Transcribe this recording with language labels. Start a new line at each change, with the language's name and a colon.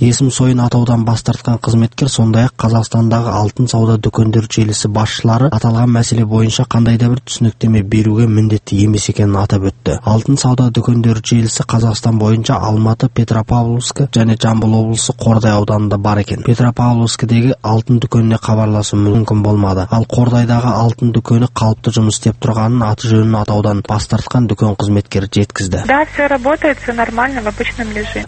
Kazakh: Есім сойын атаудан бас тартқан қызметкер сондай-ақ Қазақстандағы алтын сауда дүкендер желісі басшылары аталған мәселе бойынша қандай да бір түсініктеме беруге міндетті емес екенін атап өтті. Алтын сауда
Kyrgyz: сауда дүкөндөр желиси Казакстан боюнча Алматы, Петропавловск жана Жамбыл облусу Кордай ауданында бар экен. Петропавловскдеги алтын дүкөнүнө кабарлашуу мүмкүн болмады. Ал Кордайдагы алтын дүкөнү калыпты жумуш иштеп турганын аты жөнүн атаудан баш тарткан дүкөн кызматкери жеткизди.
Russian: Да, все работает, все нормально, в обычном режиме.